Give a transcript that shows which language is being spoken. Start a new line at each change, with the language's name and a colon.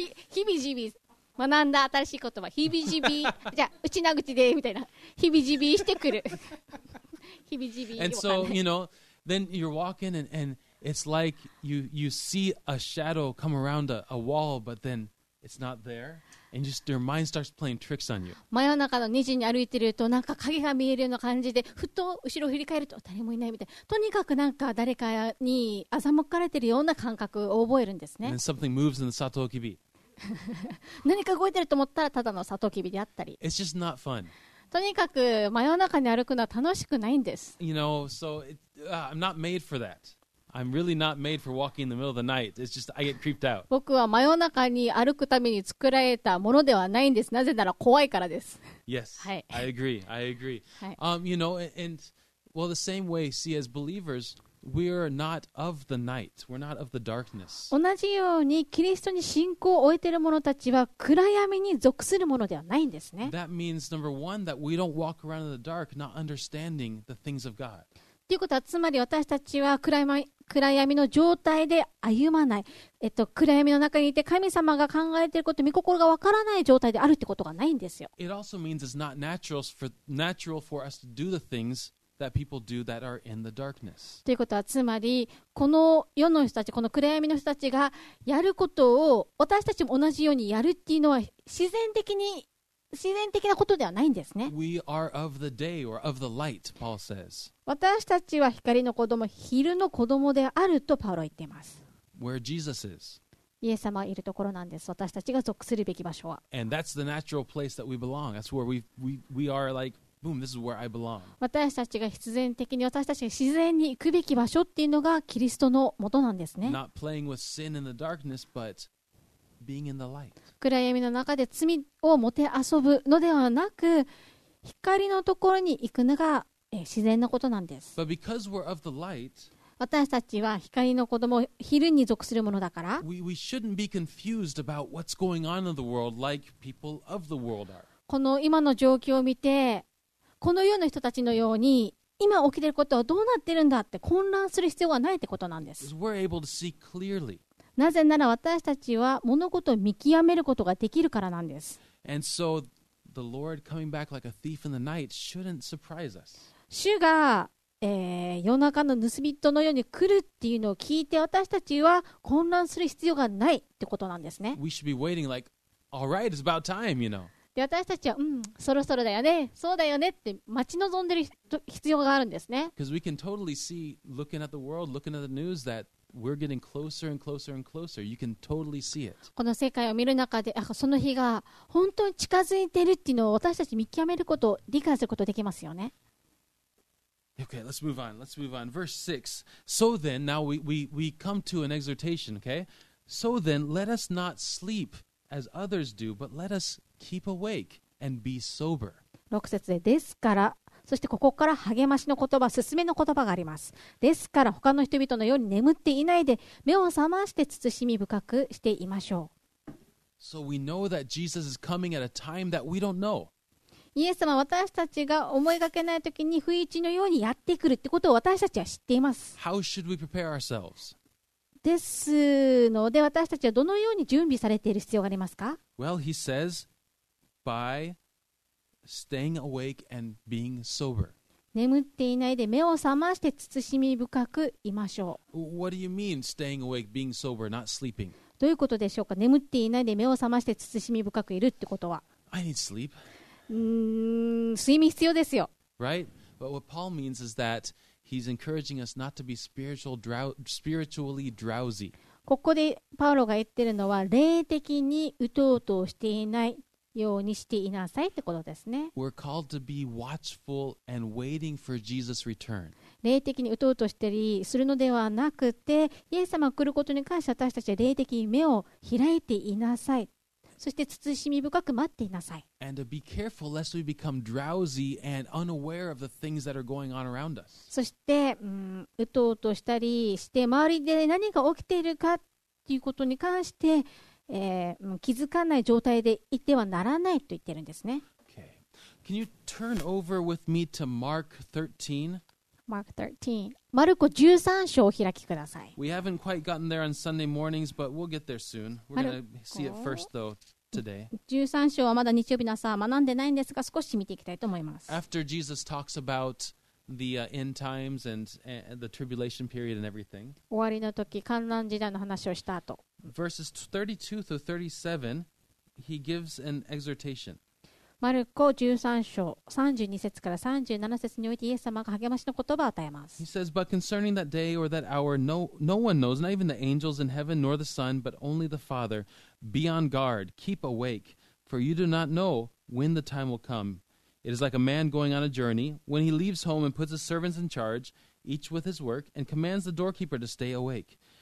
Japanese: ヒビジビズ、学んだ新しい言葉、ヒビジビ、じゃあ、内名口で、みたいな、ヒビジビしてくる。
English: ヒビジビ、 And so, you know, then you're walking and it's like you see a shadow come around a wall, but then it's not there, and just your mind starts playing tricks on you.
Japanese: 真夜中の2時に歩いてると、なんか影が見えるような感じで、ふと後ろを振り返ると誰もいないみたいな。とにかくなんか誰かに欺かれてるような感覚を覚えるんですね。
English: And something moves in the サトウキビ。
Japanese: 何か動いてると思ったらただのサトウキビであったり。
English: It's just not fun.
Japanese: とにかく真夜中に歩くのは楽しくないんです。
English: You know, so I'm not made for that. I'm really not made for walking in the middle of the night. It's just I get creeped out.
Japanese: 僕は真夜中に歩くために作られたものではないんです。なぜなら怖いからです。
English: Yes.
Japanese: はい。
English: I agree. I agree.
Japanese: はい。
English: You know, and well, the same way, see, as believers, we're not of the night. We're not of the darkness.
Japanese: 同じようにキリストに信仰を置いている者たちは暗闇に属するものではないんですね。
English: That means number one that we don't walk around in the dark, not understanding the things of God.
Japanese: ということはつまり私たちは暗闇の状態で歩まない、暗闇の中にいて神様が考えていること御心がわからない状態であるってことがないんですよ。
English: It also means it's not natural for us to do the things that people do that are in the darkness.
Japanese: ということはつまりこの世の人たちこの暗闇の人たちがやることを私たちも同じようにやるっていうのは自然的なことではないんですね。
English: We are of the day or of the light, Paul says.
Japanese: 私たちは光の子供、昼の子供であるとパウロは言っています。
English: Where Jesus is.
Japanese: イエス様がいるところなんです。私たちが属するべき場所は。
English: And that's the natural place that we belong. That's where we are like, boom, this is where I belong.
Japanese: 私たちが必然的に私たちが自然に行くべき場所っていうのがキリストのもとなんですね。
English: Not playing with sin in the darkness, but being in the light.
Japanese: 暗闇の中で罪をもてあそぶのではなく光のところに行くのが自然なことなんです。
English: But because we're of the light,
Japanese: 私たちは光の子供昼に属するものだから
English: we shouldn't be confused about what's going on in the world like people of the world are.
Japanese: この今の状況を見てこの世の人たちのように今起きていることはどうなっているんだって混乱する必要はないってことなんです。
English: We're able to see clearly
Japanese: なぜなら私たちは物事を見極めることができるからなんです。
English: And so, the Lord coming back like a thief in the night shouldn't surprise us.
Japanese: 主が、夜中の盗人のように来るっていうのを聞いて私たちは混乱する必要がないってことなんですね。
English: We should be waiting like, all right, it's about time, you know.
Japanese: で私たちは、そろそろだよね、そうだよねって待ち望んでる必要があるんですね。
English: Because we can totally see, looking at the world, looking at the news that,We're getting closer and closer and closer. You can totally see it.
Japanese: この世界を見る中で、その日が本当に近づいてるっていうのを私たち見極めること、理解することできますよね。
English: Okay, let's move on. Let's move on. Verse 6. So then, now we come to an exhortation, okay? So then, let us not sleep as others do, but let us keep awake and be sober.
Japanese: 6節で、ですから、そしてここから励ましの言葉、勧めの言葉があります。ですから他の人々のように眠っていないで、目を覚まして慎み深くしていましょう。
English: So we know that Jesus is coming at a time that we don't know.
Japanese: イエス様は私たちが思いがけないときに不意打ちのようにやってくるってことを私たちは知っています。
English: How should we prepare ourselves?
Japanese: ですので私たちはどのように準備されている必要がありますか?
English: Well, he says, by staying awake and being sober.
Japanese: 眠っていないで目を覚まして慎み深くいましょう。
English: What do you mean, staying awake, being sober, not sleeping?
Japanese: どういうことでしょうか?眠っていないで目を覚まして慎み深くいるってことは。
English: I need sleep.
Japanese: 睡眠必要ですよ。
English: Right? But what Paul means is that he's encouraging us not to be spiritually drowsy.
Japanese: ここでパウロが言ってるのは、霊的にうとうとしていないようにしていなさいってことですね。
English: We're called to be watchful and waiting for Jesus' return.
Japanese: 霊的にうとうとしたりするのではなくて、イエス様が来ることに関して私たちは霊的に目を開いていなさい。そして慎み深く待っていなさい。
English: And to be careful lest we become drowsy and unaware of the things that are going on around us.
Japanese: そして、うとうとしたりして周りで何が起きているかということに関して、気づかない状態でいてはならないと言ってるんですね。
English: Okay. Can you turn over with me to Mark 13? Mark 13.
Japanese: マルコ13章を開きください。
English: We haven't quite gotten there on Sunday mornings, but we'll get there soon. We're going to see it first though.
Japanese: 13章はまだ日曜日の朝学んでないんですが少し見ていきたいと思います。
English: After Jesus talks about the end times and the tribulation period and everything
Japanese: 終わりの時、観覧時代の話をした後
English: Verses 32 through 37 He gives an exhortation
Japanese: マルコ13章32節から37節においてイエス様が励ましの言葉を与えます。
English: He says, But concerning that day or that hour no one knows, not even the angels in heaven nor the Son, but only the FatherBe on guard, keep awake, for you do not know when the time will come. It is like a man going on a journey, when he leaves home and puts his servants in charge, each with his work, and commands the doorkeeper to stay awake.